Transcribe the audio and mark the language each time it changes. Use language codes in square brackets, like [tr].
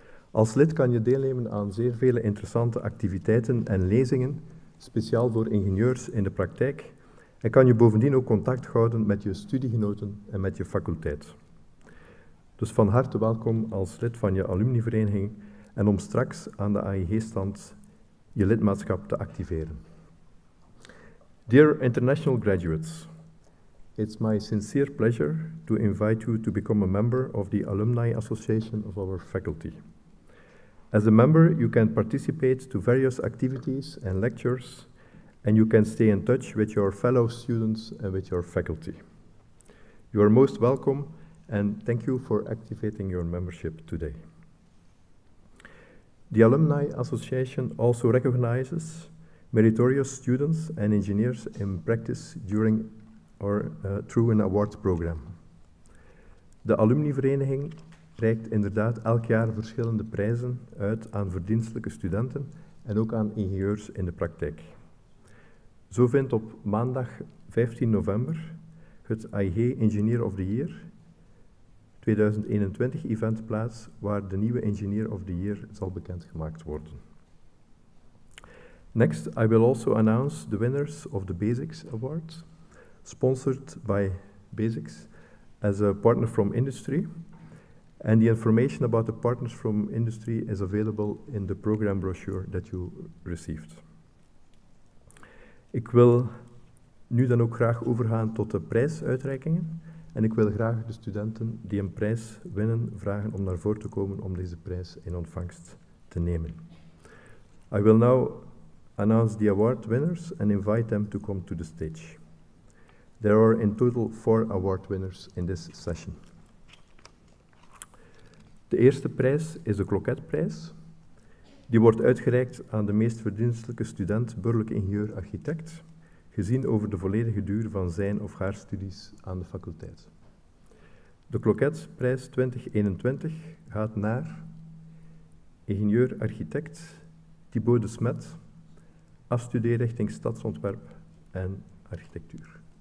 [nl] Als lid kan je deelnemen aan zeer vele interessante activiteiten en lezingen, speciaal voor ingenieurs in de praktijk en kan je bovendien ook contact houden met je studiegenoten en met je faculteit. Dus van harte welkom als lid van je alumnivereniging en om straks aan de AIG-stand je lidmaatschap te activeren. [en] Dear international graduates, it's my sincere pleasure to invite you to become a member of the Alumni Association of our faculty. As a member, you can participate to various activities and lectures, and you can stay in touch with your fellow students and with your faculty. You are most welcome, and thank you for activating your membership today. The Alumni Association also recognizes meritorious students and engineers in practice during or through an awards program. [nl] De alumnivereniging reikt inderdaad elk jaar verschillende prijzen uit aan verdienstelijke studenten en ook aan ingenieurs in de praktijk. Zo vindt op maandag 15 november het AIG Engineer of the Year 2021 event plaats, waar de nieuwe Engineer of the Year zal bekendgemaakt worden. [en] Next, I will also announce the winners of the Basics Award, sponsored by Basics as a partner from industry. And the information about the partners from industry is available in the program brochure that you received. [nl] Ik wil nu dan ook graag overgaan tot de prijsuitreikingen. En ik wil graag de studenten die een prijs winnen vragen om naar voren te komen om deze prijs in ontvangst te nemen. [en] I will now announce the award winners and invite them to come to the stage. There are in total 4 award winners in this session. [nl] De eerste prijs is de kloketprijs. Die wordt uitgereikt aan de meest verdienstelijke student, burgerlijk ingenieur, architect, gezien over de volledige duur van zijn of haar studies aan de faculteit. De kloketprijs 2021 gaat naar ingenieur-architect Thibaut de Smet, afstudeerrichting stadsontwerp en architectuur.